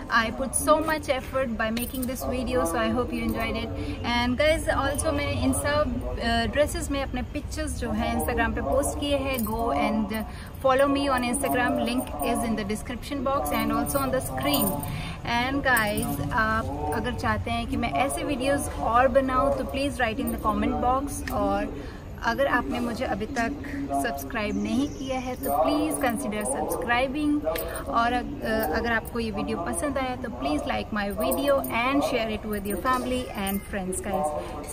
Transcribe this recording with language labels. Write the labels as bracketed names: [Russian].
[English] I put so much effort by making this video, so I hope you enjoyed it. And guys, also [Hindi] मैंने इन सब dresses में अपने pictures जो हैं Instagram पे post किए हैं. [English] Go and follow me on Instagram. Link is in the description box and also on the screen. And guys, [Hindi] आप अगर चाहते हैं कि मैं ऐसे videos और बनाऊँ तो [English] please write in the comment box. [Hindi] और अगर आपने मुझे अभी तक सब्सक्राइब नहीं किया है तो [English] Please consider subscribing. [Hindi] और अगर आपको ये वीडियो पसंद आया तो [English] Please like my video and share it with your family and friends guys.